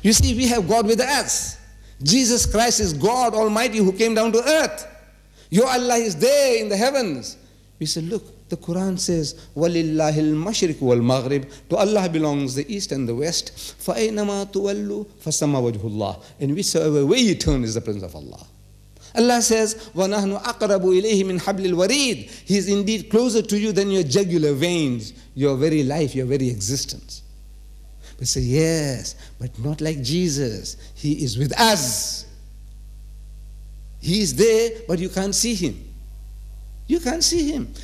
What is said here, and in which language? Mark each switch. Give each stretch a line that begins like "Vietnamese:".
English: You see, we have God with us. Jesus Christ is God Almighty who came down to earth. Your Allah is there in the heavens. We said, look, the Quran says,
Arabic: وَلِلَّهِ الْمَشْرِكُ وَالْمَغْرِبُ.
English: To Allah belongs the east and the west.
Arabic: فَأَيْنَمَا تُوَلُّ فَسَمَّ وَجْهُ اللَّهِ.
English: And whichever way you turn is the presence of Allah. Allah says,
Arabic: وَنَحْنُ أَقْرَبُ إِلَيْهِ مِنْ حَبْلِ الْوَرِيدِ.
English: He is indeed closer to you than your jugular veins, your very life, your very existence. We say, yes, but not like Jesus. He is with us. He is there, but you can't see him. You can't see him.